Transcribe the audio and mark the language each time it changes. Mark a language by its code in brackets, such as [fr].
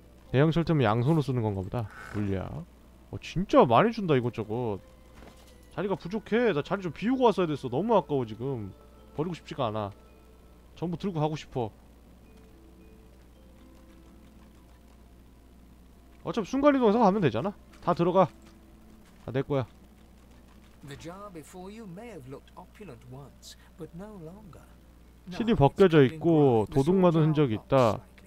[ko] 대형 철퇴면 양손으로 쓰는 건가 보다. 물약. 어, 진짜 많이 준다 이것저것. 자리가 부족해. 나 자리 좀 비우고 왔어야 됐어. 너무 아까워 지금. 버리고 싶지가 않아. 전부 들고 가고 싶어. 어차피 순간이동해서 가면 되잖아. 다 들어가. 다 내 거야. [en] The job before you may have looked opulent once, but no longer. [ko] 실이 벗겨져 있고 도둑맞은 흔적이 있다.